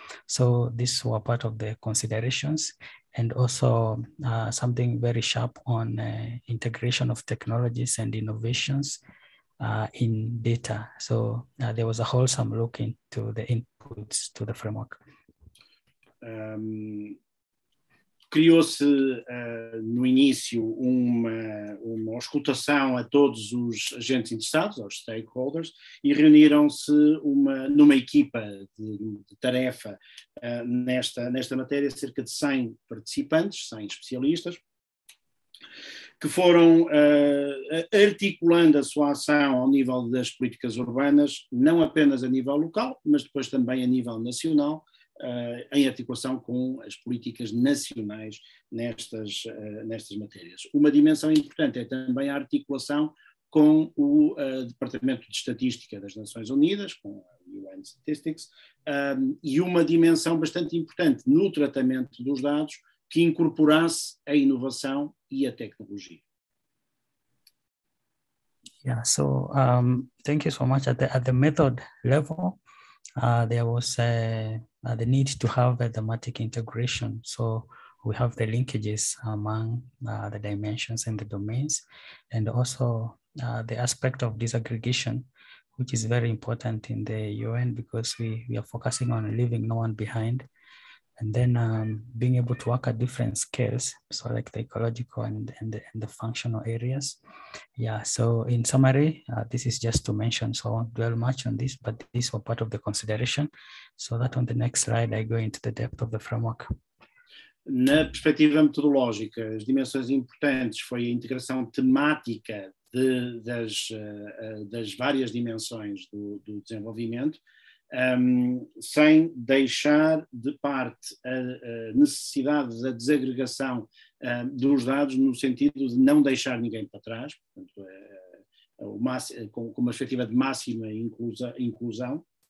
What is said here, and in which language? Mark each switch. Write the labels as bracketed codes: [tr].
[en] So these were part of the considerations. And also something very sharp on integration of technologies and innovations in data. So there was a wholesome look into the inputs to the framework. [pt] Criou-se no início uma auscultação a todos os agentes interessados, aos stakeholders, e reuniram-se numa equipa de tarefa nesta matéria, cerca de 100 participantes, 100 especialistas, que foram articulando a sua ação ao nível das políticas urbanas, não apenas a nível local, mas depois também a nível nacional, em articulação com as políticas nacionais nestas matérias. Uma dimensão importante é também a articulação com o Departamento de Estatística das Nações Unidas, com a UN Statistics, e uma dimensão bastante importante no tratamento dos dados que incorporasse a inovação e a tecnologia. [en] Yeah, so thank you so much. At the method level, there was the need to have a thematic integration. So we have the linkages among the dimensions and the domains, and also the aspect of disaggregation, which is very important in the UN because we are focusing on leaving no one behind. And then being able to work at different scales, so like the ecological and the functional areas. Yeah, so in summary, this is just to mention, so I won't dwell much on this, but these were part of the consideration, so that on the next slide, I go into the depth of the framework. [pt] Na perspectiva metodológica, as dimensões importantes foi a integração temática das várias dimensões do desenvolvimento, sem deixar de parte a necessidade da desagregação dos dados, no sentido de não deixar ninguém para trás, portanto, com uma perspectiva de máxima inclusão.